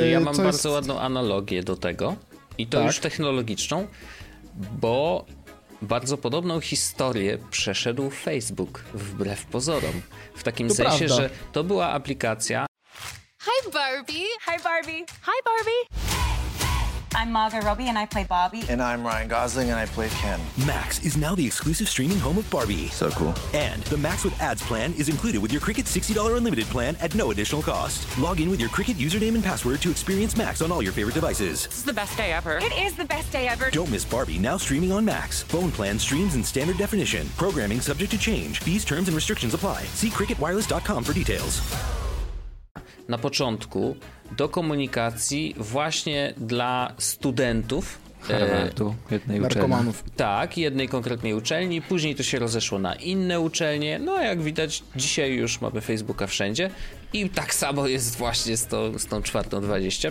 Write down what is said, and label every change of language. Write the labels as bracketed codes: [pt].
[pl] Ja mam bardzo ładną analogię do tego i to już technologiczną, bo bardzo podobną historię przeszedł Facebook wbrew pozorom. W takim sensie, że to była aplikacja... [en] Hi Barbie! Hi Barbie! Hi Barbie! I'm Margot Robbie and I play Barbie. And I'm Ryan Gosling and I play Ken. Max is now the exclusive streaming home of Barbie. So cool. And the Max with ads plan is included with your Cricket $60 unlimited plan at no additional cost. Log in with your Cricket username and password to experience Max on all your favorite devices. This is the best day ever. It is the best day ever. Don't miss Barbie now streaming on Max. Phone plan streams in standard definition. Programming subject to change. Fees, terms and restrictions apply. See cricketwireless.com for details. [pl] Na początku do komunikacji właśnie dla studentów Harvardu, jednej uczelni. Narkomanów. Tak, jednej konkretnej uczelni. Później to się rozeszło na inne uczelnie. No a jak widać, dzisiaj już mamy Facebooka wszędzie. I tak samo jest właśnie z tą 420.